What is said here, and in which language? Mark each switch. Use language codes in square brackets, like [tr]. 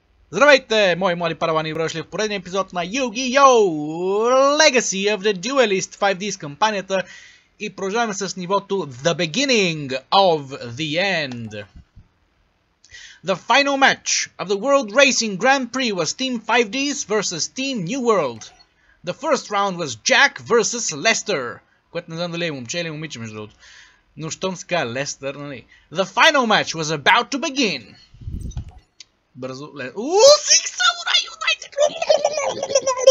[bg] Здравейте, мои млади паравани и брошли в поредния епизод на Yu-Gi-Oh! Legacy of the Duelist 5D's кампанията и продължаваме с нивото The Beginning of the End. [en] The final match of the World Racing Grand Prix was Team 5D's versus Team New World. The first round was Jack versus Lester. [bg] Което не знам дали е момче или момиче между другото. Но щом се казва Лестър, нали? [en] The final match was about to begin. [bg] Бързо, Сикс Самурай Юнайтед!